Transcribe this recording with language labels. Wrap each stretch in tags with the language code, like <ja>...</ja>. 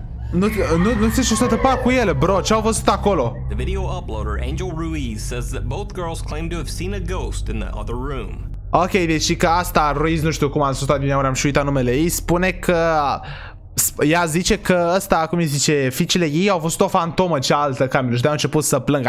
<ro>Nu știu ce s-a întâmplat cu ele, bro, ce au văzut acolo?</ro> <en>The video uploader Angel Ruiz says that both girls claim to have seen a ghost in the other room.</en> <ro>Ok, deci că asta, Ruiz, nu știu cum am spus, din am și uitat numele ei, spune că Ea zice că ăsta, cum îi zice, fiicele ei au văzut o fantomă cealaltă, Camilo, și de-aia a început să plângă.</ro>